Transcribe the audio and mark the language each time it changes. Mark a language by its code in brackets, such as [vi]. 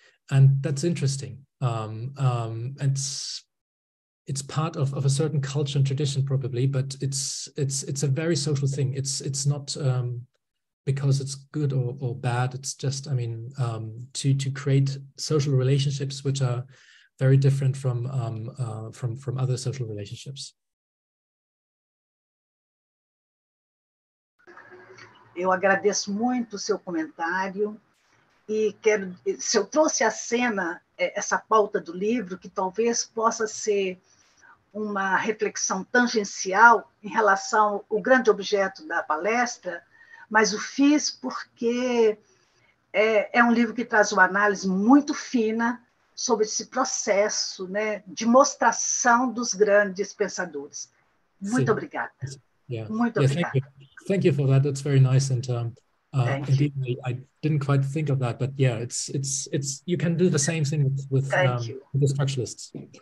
[en] And that's interesting. It's part of a certain culture and tradition probably, but it's a very social thing. It's not because it's good or bad. It's just, to create social relationships which are very different from other social relationships. [pt] Eu agradeço muito o seu comentário e quero, se eu trouxe à cena essa pauta do livro, que talvez possa ser uma reflexão tangencial em relação ao grande objeto da palestra, mas o fiz porque é um livro que traz uma análise muito fina sobre esse processo, né, de mostração dos grandes pensadores. Muito Sim. obrigada. [en] Yeah. [pt] Muito [en] yeah, [pt] obrigada. [en] Thank you for that. That's very nice. And indeed, I didn't quite think of that, but yeah, it's you can do the same thing with the structuralists.